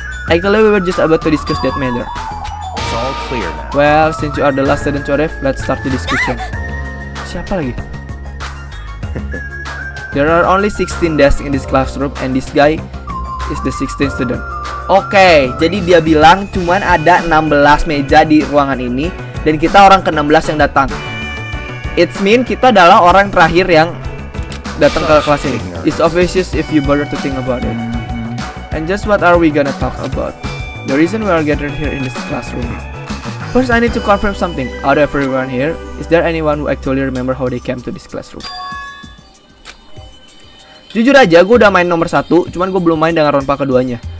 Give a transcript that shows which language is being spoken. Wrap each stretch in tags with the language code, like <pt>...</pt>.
<en>Actually, we were just about to discuss that matter. It's all clear now. Well, since you are the last student to arrive, let's start the discussion.</en> <id>Siapa lagi?</id> <en>There are only 16 desks in this classroom, and this guy is the 16th student.</en> <id>Okay, jadi dia bilang cuman ada 16 meja di ruangan ini, dan kita orang ke-16 yang datang.</id> <en>It's mean</en> <id>kita adalah orang terakhir yang datang ke kelas ini.</id> <en>It's obvious if you bother to think about it. And just what are we gonna talk about? The reason we are gathered here in this classroom. First, I need to confirm something. Out of everyone here, is there anyone who actually remember how they came to this classroom?</en> <id>Jujur aja, gue udah main nomor 1, cuman gue belum main dengan ronpa keduanya.</id>